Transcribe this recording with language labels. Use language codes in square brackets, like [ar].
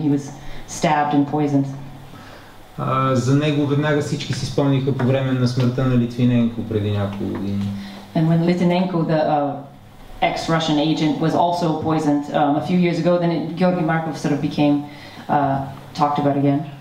[en] He was stabbed and poisoned. [bg] За него веднага всички си спомниха по време на смъртта на Литвиненко преди няколко години. [en] And when Litvinenko, the ex-Russian agent, was also poisoned a few years ago, then Georgi Markov sort of became talked about again.